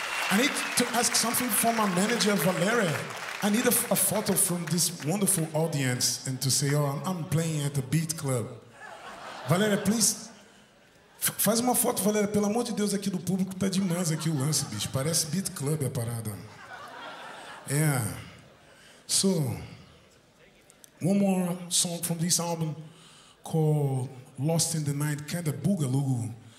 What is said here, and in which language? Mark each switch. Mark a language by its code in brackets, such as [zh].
[en] I need to ask something from my manager, Valeria. I need a photo from this wonderful audience and to say, oh, I'm playing at the Beat Club. [pt] Valeria, [en] please. [pt] Faz uma foto, Valeria. Pelo amor de Deus, aqui do público, tá demais aqui o lance, bicho. Parece Beat Club a parada. Yeah. [en] So, one more song from this album called Lost in the Night, kind of boogaloo.